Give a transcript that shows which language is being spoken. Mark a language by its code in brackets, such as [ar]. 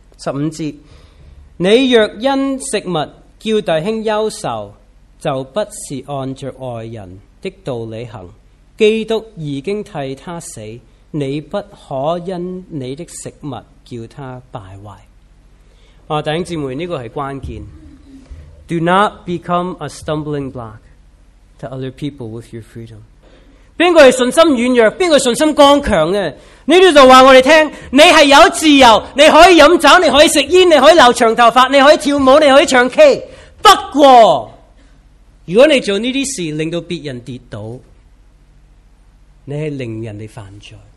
[zh] 十五节，你若因食物叫弟兄忧愁，就不是按着外人的道理行，基督已经替他死，你不可因你的食物叫他败坏。弟兄姊妹，这个是关键。 [en] Do not become a stumbling block to other people with your freedom. [zh] 誰是信心軟弱，誰是信心剛強的？你這裡告訴我們，你是有自由，你可以喝酒，你可以吃煙，你可以留長頭髮，你可以跳舞，你可以唱 K。不過如果你做這些事令到別人跌倒，你是令人犯罪。